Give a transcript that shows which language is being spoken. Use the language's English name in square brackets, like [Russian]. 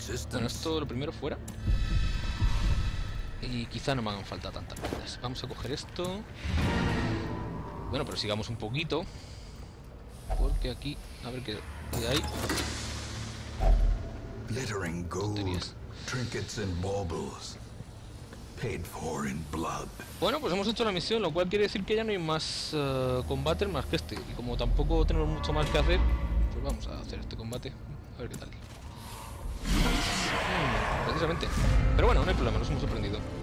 [Spanish] Bueno, esto lo primero fuera. Y quizá no me hagan falta tantas vidas. Vamos a coger esto. Bueno, pero sigamos un poquito. Porque aquí, a ver qué hay. [English] Glittering gold, trinkets and baubles, paid for in blood. [Spanish] Bueno, pues hemos hecho la misión, lo cual quiere decir que ya no hay más combate más que este. Y como tampoco tenemos mucho más que hacer, vamos a hacer este combate, a ver qué tal. Precisamente. Pero bueno, no hay problema, nos hemos sorprendido.